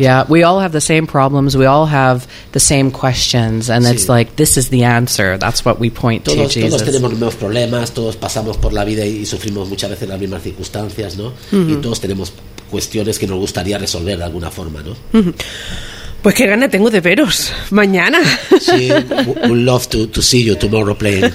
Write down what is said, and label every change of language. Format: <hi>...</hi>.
<en>Yeah, we all have the same problems, we all have the same questions, and it's like, this is the answer. That's what we point to Jesus.</en> <es>Todos tenemos los mismos problemas, todos pasamos por la vida y sufrimos muchas veces las mismas circunstancias, ¿no? Mm-hmm. Y todos tenemos cuestiones que nos gustaría resolver de alguna forma, ¿no? Mm-hmm. Pues qué gana tengo de veros mañana. Sí,</es> <en>we'd love to see you tomorrow playing.</en>